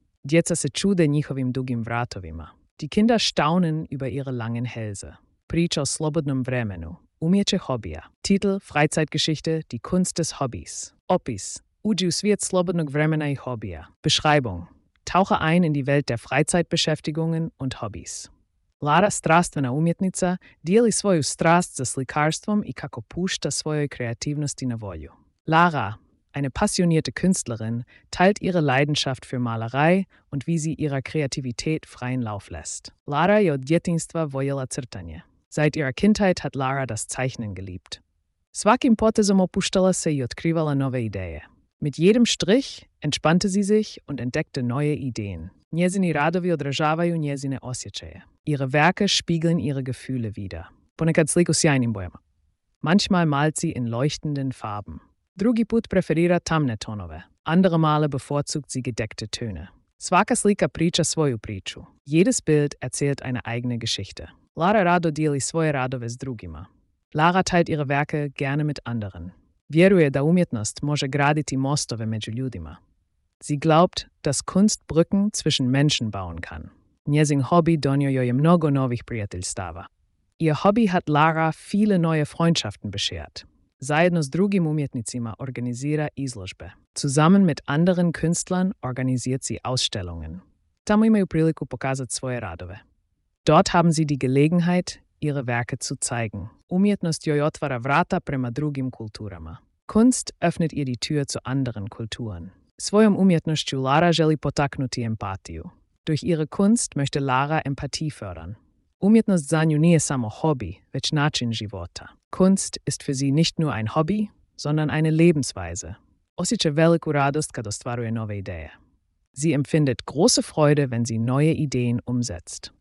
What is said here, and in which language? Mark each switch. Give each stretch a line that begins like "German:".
Croatian: Djeca se čude njihovim dugim vratovima.
German: Die Kinder staunen über ihre langen Hälse.
Croatian: Priča o slobodnom vremenu. Umjeće hobija.
German: Titel: Freizeitgeschichte, die Kunst des Hobbys.
Croatian: Opis: Uđi u svijet slobodnog vremena i hobija.
German: Beschreibung: Tauche ein in die Welt der Freizeitbeschäftigungen und Hobbys.
Croatian: Lara, strastvena umjetnica, dijeli svoju strast za slikarstvom i kako pušta svojoj kreativnosti na volju.
German: Lara, eine passionierte Künstlerin, teilt ihre Leidenschaft für Malerei und wie sie ihrer Kreativität freien Lauf lässt.
Croatian: Lara je od djetinjstva voljela crtanje.
German: Seit ihrer Kindheit hat Lara das Zeichnen geliebt.
Croatian: Svakim potezom opuštala se i otkrivala nove ideje.
German: Mit jedem Strich entspannte sie sich und entdeckte neue Ideen.
Croatian: Njezini radovi odražavaju njezine osjećaje.
German: Ihre Werke spiegeln ihre Gefühle wider.
Croatian: Ponekad sliku sjajnim bojama.
German: Manchmal malt sie in leuchtenden Farben.
Croatian: Drugi put preferira tamne tonove.
German: Andere Male bevorzugt sie gedeckte Töne.
Croatian: Svaka slika priča svoju priču.
German: Jedes Bild erzählt eine eigene Geschichte.
Croatian: Lara rado dijeli svoje radove s drugima.
German: Lara teilt ihre Werke gerne mit anderen.
Croatian: Vjeruje da umjetnost može graditi mostove među ljudima.
German: Sie glaubt, dass Kunst Brücken zwischen Menschen bauen kann.
Croatian: Njezin hobby donio joj je mnogo novih prijateljstava.
German: Ihr Hobby hat Lara viele neue Freundschaften beschert.
Croatian: Zajedno s drugim umjetnicima organizira izložbe.
German: Zusammen mit anderen Künstlern organisiert sie Ausstellungen.
Croatian: Tamo imaju priliku pokazati svoje radove.
German: Dort haben sie die Gelegenheit, ihre Werke zu zeigen.
Croatian: Umjetnost joj otvara vrata prema drugim kulturama.
German: Kunst öffnet ihr die Tür zu anderen Kulturen.
Croatian: Svojom umjetnošću Lara želi potaknuti empatiju.
German: Durch ihre Kunst möchte Lara Empathie fördern.
Croatian: Umjetnost za nju nije samo hobby, već način života.
German: Kunst ist für sie nicht nur ein Hobby, sondern eine Lebensweise.
Croatian: Osjeća veliku radost kad ostvaruje nove ideje.
German: Sie empfindet große Freude, wenn sie neue Ideen umsetzt.